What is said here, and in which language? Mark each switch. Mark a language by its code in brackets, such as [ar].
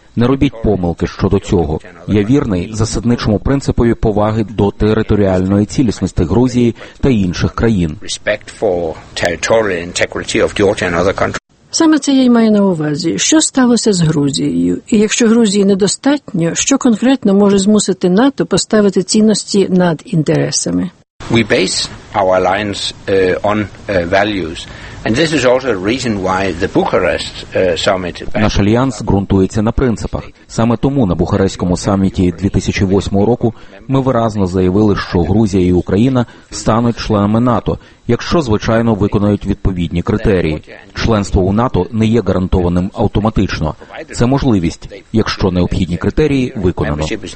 [uk] Не робіть помилки щодо цього. Я вірний засадничому принципові поваги до територіальної цілісності Грузії та інших країн. [en] Respect for territorial integrity of Georgia and other countries. [uk] Саме це я й маю на увазі. Що сталося з Грузією? І якщо Грузії недостатньо, що конкретно може змусити НАТО поставити цінності над інтересами? [en] We base our alliance on values. And this is also a reason why the Bucharest summit. [uk] Наш альянс ґрунтується на принципах. Саме тому на Бухарестському саміті 2008 року ми виразно заявили, що Грузія і Україна стануть членами НАТО, якщо, звичайно, виконають відповідні критерії. Членство у НАТО не є гарантованим автоматично. Це можливість, якщо необхідні критерії виконано.